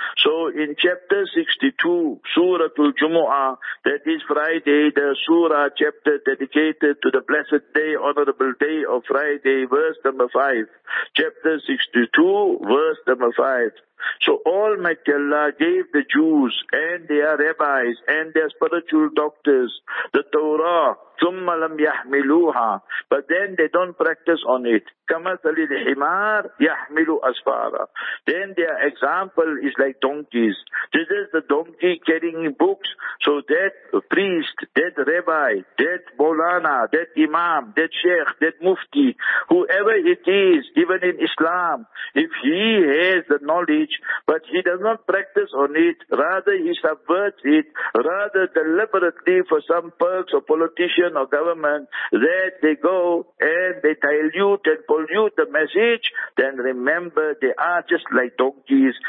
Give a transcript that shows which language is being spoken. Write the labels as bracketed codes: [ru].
[en] So in chapter 62, Suratul Jumu'ah, that is Friday, the surah chapter dedicated to the blessed day, honorable day of Friday, verse number 5. Chapter 62, verse number 5. So Almighty Allah gave the Jews and their rabbis and their spiritual doctors the Torah. [ar] ثم لم يحملوها. [en] But then they don't practice on it. [ar] كمثل الحمار يحمل أسفارا. [en] Then their example is like donkeys. This is the donkey carrying books. So that priest, that rabbi, that molana, that imam, that sheikh, that mufti, whoever it is, even in Islam, if he has the knowledge, but he does not practice on it, rather he subverts it, rather deliberately for some perks or politician or government, that they go and they dilute and pollute the message, then remember, they are just like donkeys.